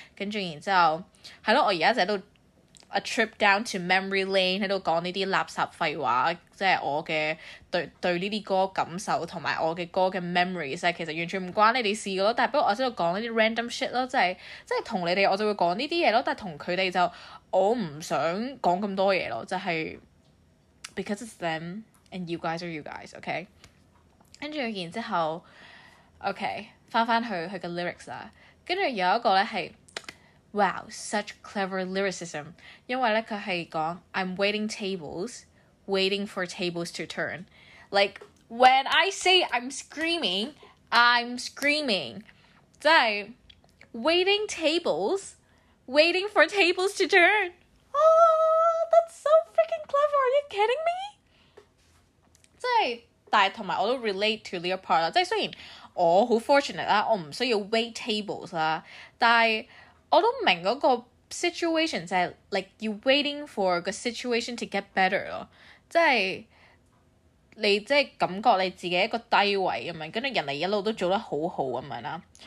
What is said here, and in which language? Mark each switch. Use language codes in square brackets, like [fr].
[yue] 跟住然之後係咯，我而家就喺度 [en] a trip down to memory lane [yue] 喺度講呢啲垃圾廢話。即係我嘅對呢啲歌感受同埋我嘅歌嘅 memories， 其實完全唔關你哋事嘅咯。但係不過我喺度講呢啲 [en] random shit [yue] 咯，即係同你哋我就會講呢啲嘢咯。但係同佢哋就我唔想講咁多嘢咯，就係 [en] because it's them and you guys are you guys， [yue] OK。跟住然之後 ，OK， 翻去嘅 lyrics 啦。跟住有一個咧係 ，Wow， [en] such clever lyricism， [yue] 因為咧佢係講 [en] I'm waiting tables。 Waiting for tables to turn. Like, when I say I'm screaming. [yue] 即係 [en] waiting for tables to turn. Oh, that's so freaking clever. Are you kidding me? [yue] 即係，但係同埋我都 relate to 呢個 part 啦。即係雖然我好 fortunate 啦，我唔需要 wait tables 啦，但係我都明嗰個 situation 就係 [en] like you waiting for the situation to get better [yue] 咯。即係你即係感覺你自己一個低位咁樣，跟住人哋一路都做得好好咁樣啦。